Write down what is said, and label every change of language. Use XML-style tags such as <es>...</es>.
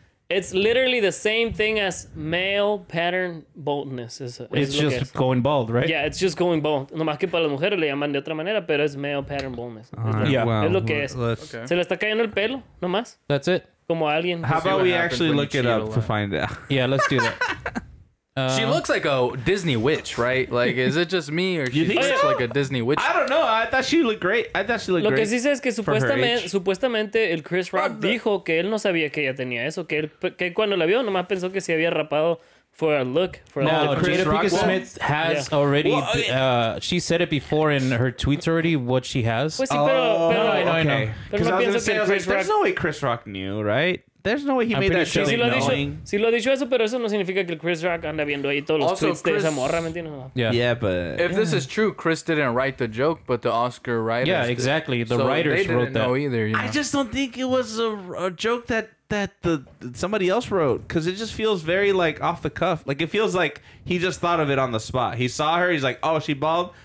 <en>It's literally the same thing as male pattern baldness. It's just going bald, right? Yeah, it's just going bald.</en> <es>No más que para las mujeres le llaman de otra manera, pero es</es> <en>male pattern baldness.</en> <es>Es lo que es.</es> <en>Okay.</en> <es>Se le está cayendo el pelo, no más.</es> <en>That's it.</en> <es>Como alguien.</es> <en>How about we actually look it up to find out? Yeah, let's do that. She looks like a Disney witch, right? Like, is it just me or she looks like a Disney witch? I don't know. I thought she looked great.</en> <es>Lo que sí sé es que supuestamente el Chris Rock dijo que él no sabía que ella tenía eso, que cuando la vio nomás pensó que se había rapado</es> <en>for a look. She said it before in her tweets already what she has. There's no way Chris Rock knew, right? There's no way he made that show knowing.</en> <es>Si lo ha dicho eso, pero eso no significa que Chris Rock anda viendo ahí todos los tweets de esa morra, ¿me entiendes?</es> <en>If this is true, Chris didn't write the joke, but the Oscar writers. Yeah, exactly. The writers wrote that. So they didn't know either, you know? I just don't think it was a joke that somebody else wrote, because it just feels very, like, off the cuff. Like, it feels like he just thought of it on the spot. He saw her, he's like, oh, she bald?</en>